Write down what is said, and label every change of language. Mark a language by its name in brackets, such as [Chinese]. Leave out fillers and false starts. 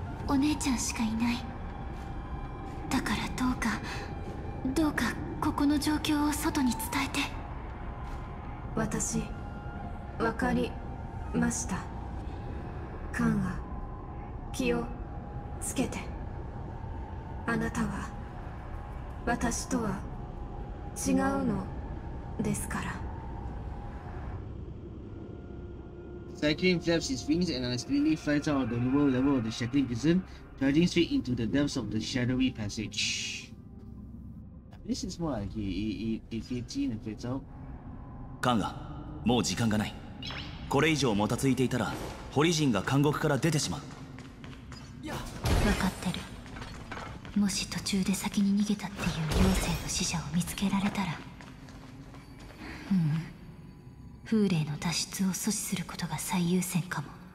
[Japanese] お姉ちゃんしかいない。だからどうか、ここの状況を外に伝えて。私、わかりました。カンは、気をつけて。あなたは、私とは、違うのですから。 [English] Zaikin flaps his wings and unexpectedly flies out of the lower level of the Shackling Prison, charging straight into the depths of the shadowy passage. This is more like he fits in and fits out. [Japanese] Kanga, もう時間がない。これ以上もたついていたら、ホリジンが監獄から出てしまう。わかってる。もし途中で先に逃げたっていう妖精の使者を見つけられたら。風霊の脱出を阻止することが最優先かも。